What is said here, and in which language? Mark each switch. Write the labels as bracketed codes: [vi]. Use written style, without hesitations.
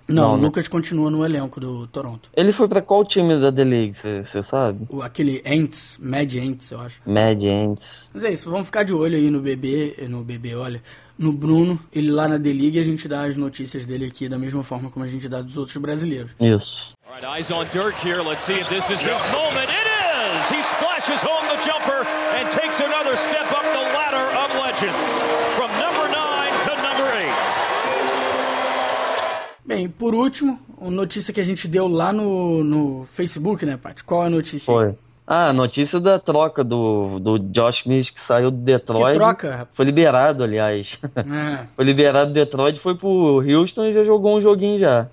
[pt] Não, o Lucas continua no elenco do Toronto. Ele foi pra qual time da D-League, você sabe? Aquele Ants, Mad Ants, eu acho. Mad Ants. Mas é isso, vamos ficar de olho aí no bebê, olha... No Bruno, ele lá na D-League, a gente dá as notícias dele aqui da mesma forma como a gente dá dos outros brasileiros. Isso. [en] All right, eyes on Dirk here. Let's see if this is his moment. It is! He splashes home the jumper and takes another step up the ladder of legends. From number 9 to number 8. [pt] Bem, por último, uma notícia que a gente deu lá no Facebook, né, Paty? Qual a notícia? Foi. Ah, notícia da troca do Josh Mills, que saiu do Detroit. Que troca? Foi liberado, aliás. É. Foi liberado do Detroit, foi pro Houston e já jogou um joguinho já.